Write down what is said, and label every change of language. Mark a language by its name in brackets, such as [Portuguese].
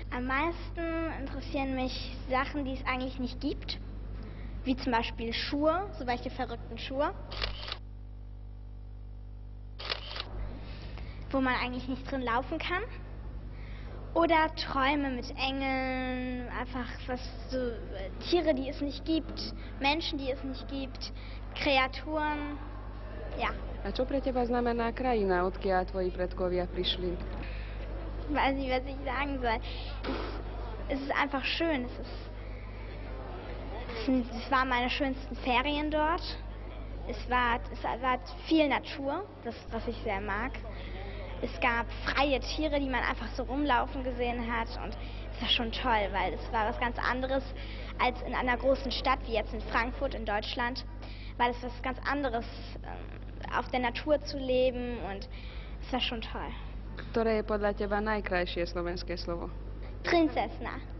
[German] Am meisten interessieren mich Sachen, die es eigentlich nicht gibt, wie zum Beispiel Schuhe, so welche verrückten Schuhe, wo man eigentlich nicht drin laufen kann. Oder Träume mit Engeln, einfach was so, Tiere, die es nicht gibt, Menschen, die es nicht gibt, Kreaturen, ja. [Slovak] A čo pre teba znamená krajina, odkiaľ tvoji predkovia prišli? [German] Weiß nicht, was ich sagen soll. Es ist einfach schön. Es waren meine schönsten Ferien dort. Es war viel Natur, das, was ich sehr mag. Es gab freie Tiere, die man einfach so rumlaufen gesehen hat. Und es war schon toll, weil es war was ganz anderes als in einer großen Stadt, wie jetzt in Frankfurt in Deutschland. Weil es was ganz anderes, auf der Natur zu leben. Und es war schon toll. [Slovak] Ktoré je podľa teba najkrajšie slovenské slovo? Princesna.